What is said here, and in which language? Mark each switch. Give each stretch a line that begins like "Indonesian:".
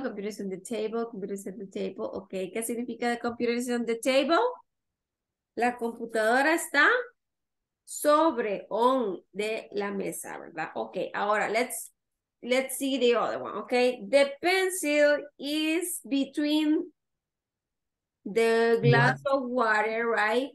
English: The computer is on the table. The computer is on the table.
Spanish: Ok, ¿qué significa
English: the computer is on the table?
Spanish: La computadora está sobre, on, de la mesa, ¿verdad?
English: Ok, ahora let's see the other one, ok? The pencil is between the glass of water, right?